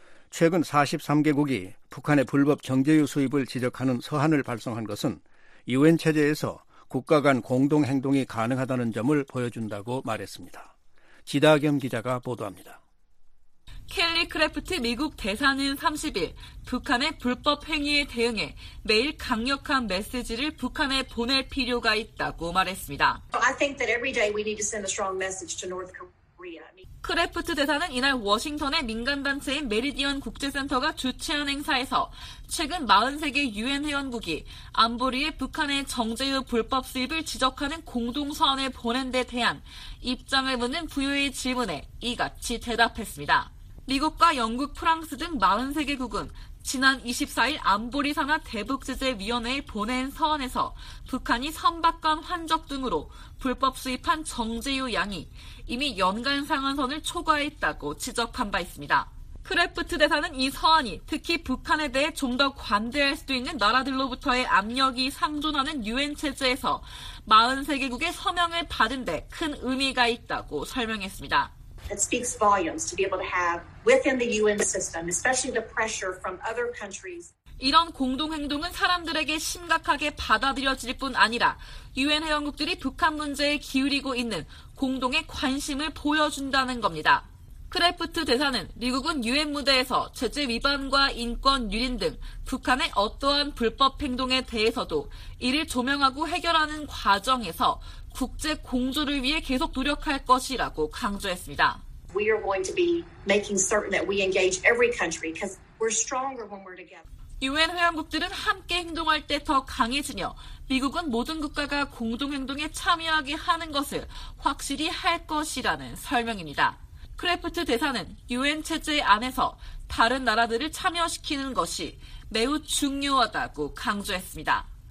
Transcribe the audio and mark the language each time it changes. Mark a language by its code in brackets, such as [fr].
[ko] 최근 43개국이 북한의 불법 정제유 수입을 지적하는 서한을 발송한 것은 유엔 체제에서 국가 간 공동 행동이 가능하다는 점을 보여준다고 말했습니다. 지다겸 기자가 보도합니다. 켈리 크래프트 미국 대사는 30일 북한의 불법 행위에 대응해 매일 강력한 메시지를 북한에 보낼 필요가 있다고 말했습니다. [en] I think that every day we need to send a strong message to North Korea. [ko] 크래프트 대사는 이날 워싱턴의 민간단체인 메리디언 국제센터가 주최한 행사에서 최근 43개 유엔 회원국이 안보리에 북한의 정제유 불법 수입을 지적하는 공동서한을 보낸 데 대한 입장을 묻는 부유의 질문에 이같이 대답했습니다. 미국과 영국, 프랑스 등 43개국은 지난 24일 안보리 산하 대북제재위원회에 보낸 서한에서 북한이 선박관 환적 등으로 불법 수입한 정제유 양이 이미 연간 상한선을 초과했다고 지적한 바 있습니다. 크래프트 대사는 이 서한이 특히 북한에 대해 좀 더 관대할 수도 있는 나라들로부터의 압력이 상존하는 유엔 체제에서 43개국의 서명을 받은 데 큰 의미가 있다고 설명했습니다. [en] It speaks volumes to be able to have within the UN system, especially the pressure from other countries. [ko] 이런 공동행동은 사람들에게 심각하게 받아들여질 뿐 아니라 유엔 회원국들이 북한 문제에 기울이고 있는 공동의 관심을 보여준다는 겁니다. 크래프트 대사는 미국은 유엔 무대에서 제재 위반과 인권 유린 등 북한의 어떠한 불법 행동에 대해서도 이를 조명하고 해결하는 과정에서 국제 공조를 위해 계속 노력할 것이라고 강조했습니다. [en] We are going to be making certain that we engage every country because we're stronger when we're together. [ko] 유엔 회원국들은 함께 행동할 때 더 강해지며 미국은 모든 국가가 공동행동에 참여하게 하는 것을 확실히 할 것이라는 설명입니다. 크래프트 대사는 유엔 체제 안에서 다른 나라들을 참여시키는 것이 매우 중요하다고 강조했습니다.